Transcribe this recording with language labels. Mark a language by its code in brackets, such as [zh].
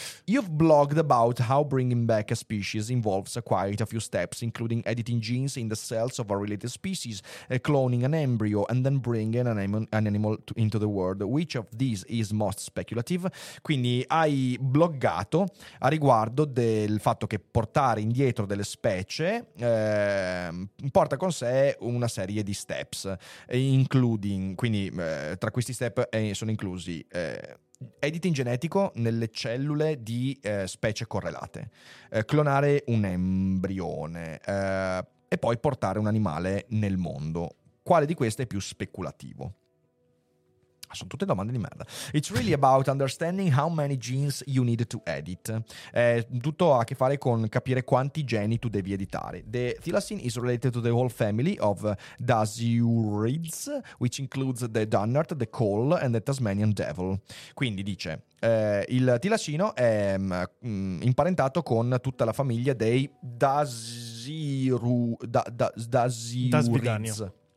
[en] You've blogged about how bringing back a species involves quite a few steps, including editing genes in the cells of a related species, cloning an embryo, and then bringing an animal into the world. Which of these is most speculative? [it] Quindi hai bloggato a riguardo del fatto che portare indietro delle specie porta con sé una serie di steps, including, quindi tra questi step sono inclusi editing genetico nelle cellule di specie correlate, clonare un embrione e poi portare un animale nel mondo. Quale di queste è più speculativo? Sono tutte domande di merda. [en] It's really about understanding how many genes you need to edit. [it] Tutto ha a che fare con capire quanti geni tu devi editare. [en] The thylacine is related to the whole family of dasyurids, which includes the dunnart, the coal and the Tasmanian devil. [it] Quindi dice, il thylacino è imparentato con tutta la famiglia dei dasyurids.